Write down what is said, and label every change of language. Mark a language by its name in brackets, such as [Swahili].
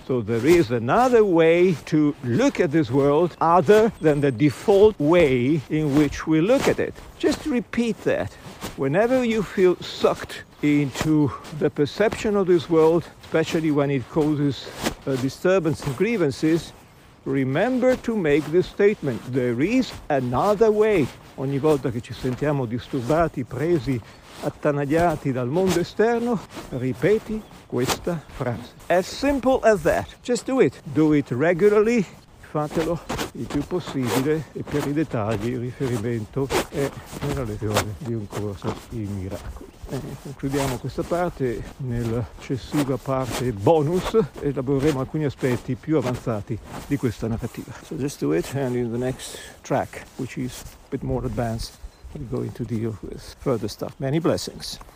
[English] So there is another way to look at this world other than the default way in which we look at it. Just repeat that. Whenever you feel sucked into the perception of this world, especially when it causes a disturbance and grievances, remember to make this statement: there is another way. [Italian] ogni volta che ci sentiamo disturbati, presi, attanagliati dal mondo esterno, ripeti questa frase. [English] As simple as that. Just do it. Do it regularly. [Italian] Fatelo il più possibile e per i dettagli il riferimento è nella lezione di un corso in miracoli. Concludiamo questa parte nell'eccessiva parte bonus, elaboreremo alcuni aspetti più avanzati di questa narrativa. [English] So just do it, and in the next track, which is a bit more advanced, we're going to deal with further stuff. Many blessings.